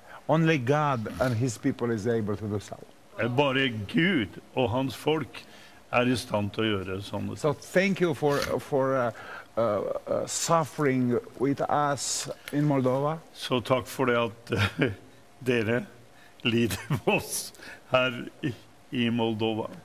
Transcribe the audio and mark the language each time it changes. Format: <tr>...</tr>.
<en>Only God and his people is able to do so.</en> <no>Bare Gud og hans folk i stand til å gjøre sånne.</no> <en>So thank you for suffering with us in Moldova.</en> <no>Så takk for det at dere lider med oss her i Moldova.</no>